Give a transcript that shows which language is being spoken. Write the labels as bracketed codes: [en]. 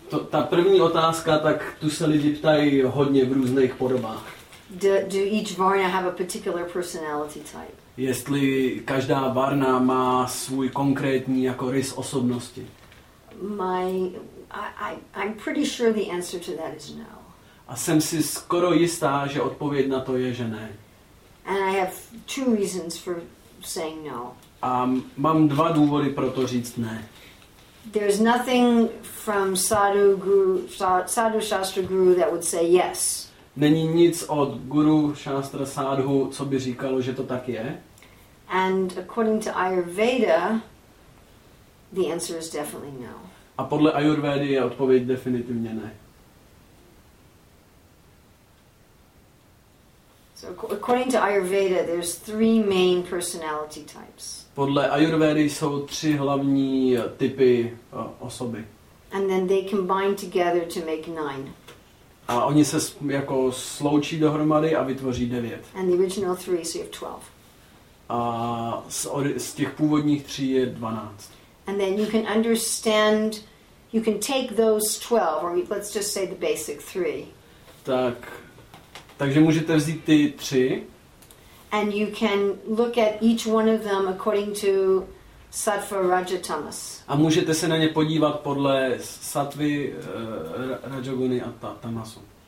[cs] Ta první otázka, tak tu se lidi ptají hodně v různých podobách. [en] Do each varna have a particular personality type? [cs] Jestli každá varna má svůj konkrétní jako rys osobnosti. [en] I'm pretty sure the answer to that is no. [cs] A jsem si skoro jistá, že odpověď na to je, že ne. [en] And I have two reasons for saying no. [cs] A mám dva důvody pro to říct ne. [en] There's nothing from sadhu shastra guru that would say yes. [cs] Není nic od guru shastra sadhu, co by říkalo, že to tak je. [en] And according to Ayurveda, the answer is definitely no. [cs] A podle Ayurvedy je odpověď definitivně ne. [en] So according to Ayurveda, there's three main personality types. [cs] Podle Ayurvedy jsou tři hlavní typy osoby. [en] And then they combine together to make nine. [cs] A oni se jako sloučí dohromady a vytvoří 9. [en] And the original three, so you have 12. [cs] A z těch původních tří je 12. [en] And then you can understand, you can take those 12, or let's just say the basic three. [cs] Tak, takže můžete vzít ty tři. [en] And you can look at each one of them according to sattva, raja, tamas. [cs] A můžete se na ně podívat podle sattvy, rajoguny a tamasu.